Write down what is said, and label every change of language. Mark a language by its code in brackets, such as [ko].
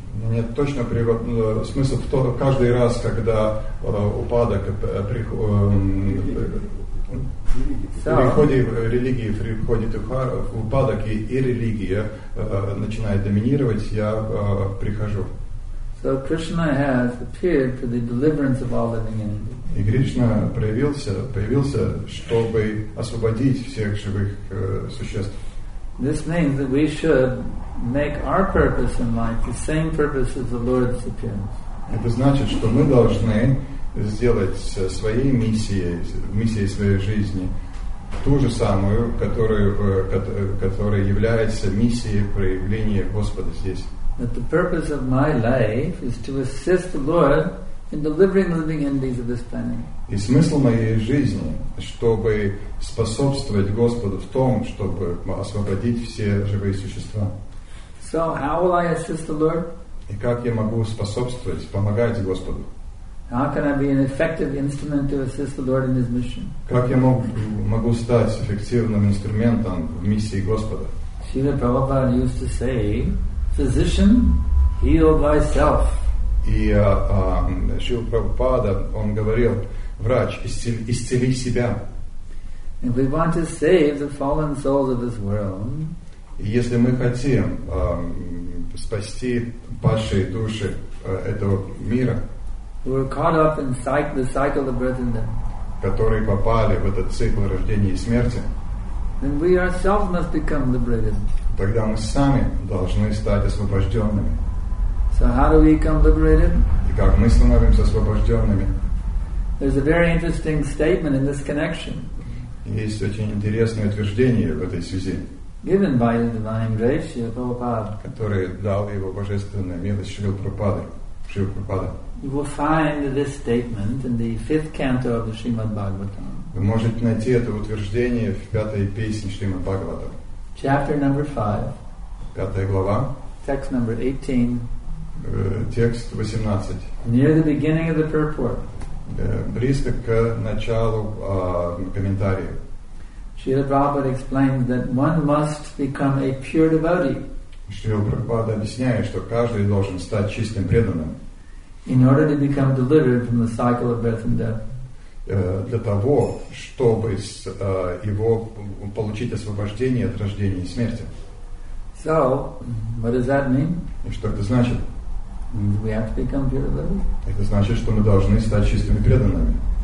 [ru] Нет, точно привод, смысл в том, каждый раз, когда упадок в религии приходит упадок, и религия начинает доминировать, я прихожу. [en] So Krishna has appeared for the deliverance of all living entities. [ru] И Кришна появился, чтобы освободить всех живых существ. [en] This means that we should make our purpose in life the same purpose as the Lord's appearance. [ru] Это значит, что мы должны сделать своей миссией своей жизни ту же самую, которая является миссией проявления Господа здесь. [en] That the purpose of my life is to assist the Lord in delivering living entities of this planet. [ru] И смысл моей жизни, чтобы способствовать Господу в том, чтобы освободить все живые существа. [en] So how will I assist the Lord? [ru] И как я могу способствовать, помогать Господу? [en] How can I be an effective instrument to assist the Lord in His mission? [ru] Как я могу стать эффективным инструментом в миссии Господа? [en] Srila Prabhupada used to say, physician, heal thyself. [ru] И Шрила Прабхупада, он говорил, врач, исцели себя. [en] If we want to save the fallen souls of this world, [ru] если мы хотим спасти падшие души этого мира, [en] who are caught up in the cycle of birth and death, [ru] которые попали в этот цикл рождения и смерти, [en] then we ourselves must become liberated. [ru] Тогда мы сами должны стать освобожденными. [en] So how do we become liberated? [ru] И как мы становимся освобожденными? [en] There's a very interesting statement in this connection. [ru] Есть очень интересное утверждение в этой связи. [en] Given by the divine grace, Śrīla Prabhupāda. [ru] Которое дал его божественная милость Śrīla Prabhupāda. [en] You will find this statement in the fifth canto of the Śrīmad Bhāgavatam. [ru] Вы можете найти это утверждение в пятой песне Śrīmad Bhāgavatam. [en] Chapter number 5. [ru] Пятая глава. [en] Text number 18. [ru] Текст 18. [en] Near the beginning of the purport. [ru] Близко к началу комментария. [en] Śrīla Prabhupāda explains that one must become a pure devotee. [ru] Śrīla Prabhupāda объясняет, что каждый должен стать чистым преданным. [en] In order to become delivered from the cycle of birth and death. [ru] Для того, чтобы его получить освобождение от рождения и смерти. [en] So, what does that mean? [ru] И что это значит? [en] We have to become pure devotees. [ru] Это значит, что мы должны стать чистыми преданными.